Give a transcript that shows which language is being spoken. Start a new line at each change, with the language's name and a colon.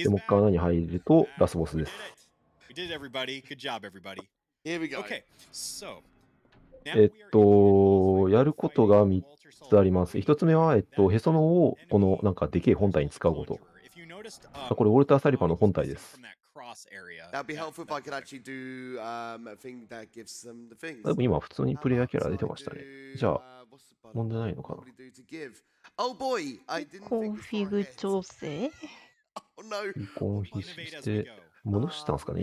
Japanese: でもっかに入るとラスボスです。
English: We did it, everybody. Good job, everybody. Here we go. Okay, so
Japanese: やることが3つあります。 1つ目はへその緒をこのなんかでけえ本体に使うこと。これウォルターサリバーの本体です。
English: That'd be helpful if I could actually do a thing that gives them the things.
Japanese: でも今普通にプレイヤーキャラ出てましたね。じゃあ問題ないのかな。
English: Oh boy, I didn't think
Japanese: コンフィグ調整。
English: Oh no.
Japanese: コンフィグして戻したんですかね。